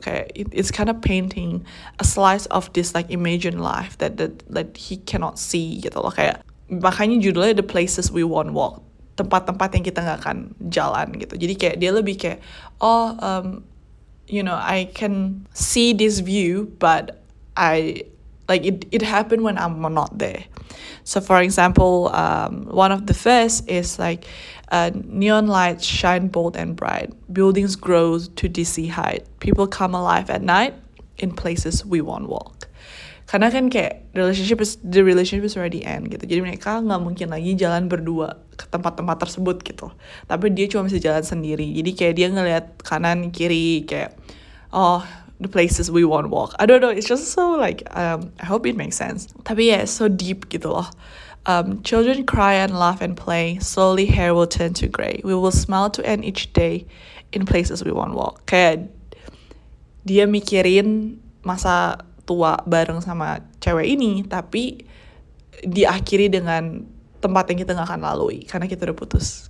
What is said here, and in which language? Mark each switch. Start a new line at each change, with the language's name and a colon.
English: Kayak it's kind of painting a slice of this like imagined life that he cannot see
Indonesian: gitu loh. Kayak makanya judulnya The Places We Won't Walk, tempat-tempat yang kita gak akan jalan gitu. Jadi kayak dia lebih kayak,
English: oh, you know, I can see this view, but I, like, it happened when I'm not there. So, for example, one of the first is, like, neon lights shine bold and bright. Buildings grow to dizzy height. People come alive at night in places we won't walk.
Indonesian: Karena kan kayak,
English: the relationship is already end,
Indonesian: gitu. Jadi mereka gak mungkin lagi jalan berdua ke tempat-tempat tersebut, gitu. Tapi dia cuma bisa jalan sendiri. Jadi kayak dia ngeliat kanan, kiri, kayak, oh,
English: the places we won't walk. I don't know, it's just so like, I hope it makes sense. Tapi yeah, it's so deep
Indonesian: gitu loh.
English: Children cry and laugh and play, slowly hair will turn to grey. We will smile to end each day in places we won't walk.
Indonesian: Kayak dia mikirin masa tua bareng sama cewek ini, tapi diakhiri dengan tempat yang kita gak akan lalui, karena kita udah putus.